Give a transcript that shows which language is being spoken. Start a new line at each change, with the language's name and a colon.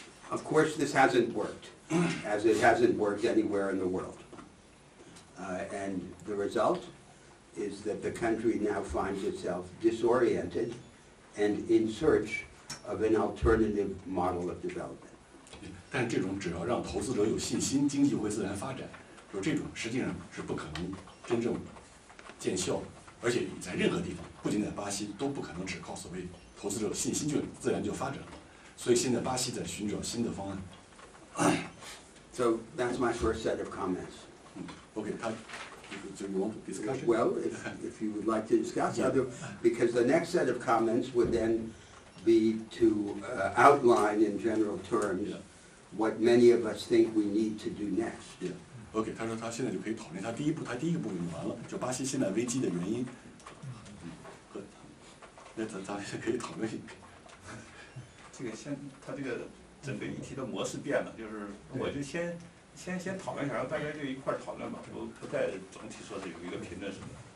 English: Of course this hasn't worked as it hasn't worked anywhere in the world、and the result is that the country now finds itself disoriented and in searchof an alternative model of development.
Chinese: 但这种只要让投资者有信心，经济会自然发展，就这种实际上是不可能真正见效，而且在任何地方，不仅在巴西，都不可能只靠所谓投资者信心就自然就发展了。所以现在巴西在寻找新的方案。
English: So that's my first set of comments. Okay, Well, if you would like to discuss other, because the next set of comments would then. Be to outline in general terms、what many of us think we need to do next. Yeah. Okay.
Chinese: 他说他现在就可以讨论他第一步用完了，就巴西现在危机的原因。那咱可以讨论一下。这个先，他这个整个议题的模式变了，就是我就先讨论一下，然后大家就一块讨论吧，不再总体说是有一个评论什么。